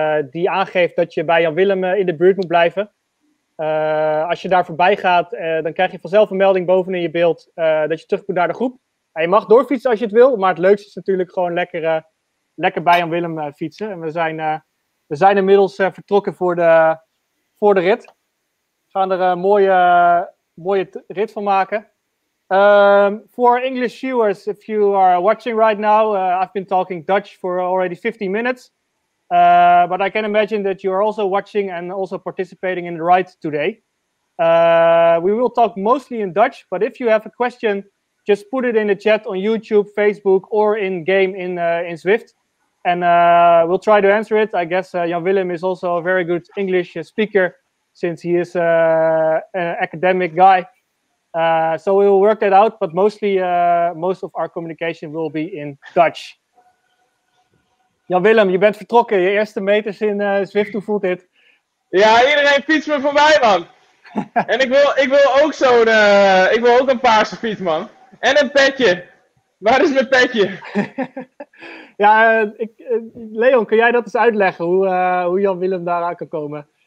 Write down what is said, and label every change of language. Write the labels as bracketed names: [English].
[Dutch] Die aangeeft dat je bij Jan Willem in de buurt moet blijven. Als je daar voorbij gaat, dan krijg je vanzelf een melding boven in je beeld dat je terug moet naar de groep. En je mag doorfietsen als je het wil, maar het leukste is natuurlijk gewoon lekker bij Jan Willem fietsen. En we zijn inmiddels vertrokken voor de rit. We gaan er een mooie rit van maken. [English] For English viewers, if you are watching right now, I've been talking Dutch for already 15 minutes. But I can imagine that you are also watching and also participating in the ride today. We will talk mostly in Dutch, but if you have a question, just put it in the chat on YouTube, Facebook, or in game in Zwift. And we'll try to answer it. I guess Jan Willem is also a very good English speaker, since he is an academic guy. So we will work that out, but mostly most of our communication will be in Dutch. [Dutch] Jan Willem, je bent vertrokken. Je eerste meters in Zwift, hoe voelt dit? Ja, iedereen fietst me voorbij, man. En ik wil ook zo'n... ik wil ook een paarse fiets, man. En een petje. Waar is mijn petje? Ja, Leon, kun jij dat eens uitleggen? Hoe Jan Willem daaraan kan komen?